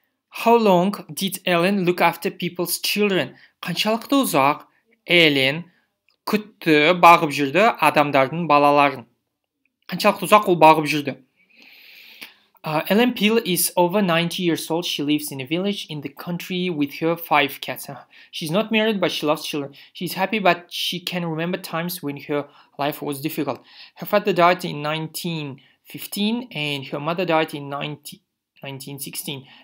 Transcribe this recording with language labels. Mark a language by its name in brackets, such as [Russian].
[English] How long did Ellen look after people's children? [Kazakh] Қаншалықты ұзақ Ellen күтті, бағып жүрді адамдардың балаларын? Қаншалықты ұзақ ол бағып жүрді? [English] Ellen Peel is over 90 years old. She lives in a village in the country with her 5 cats. She's not married, but she loves children. She's happy, but she can remember times when her life was difficult. Her father died in 1915 and her mother died in 1916.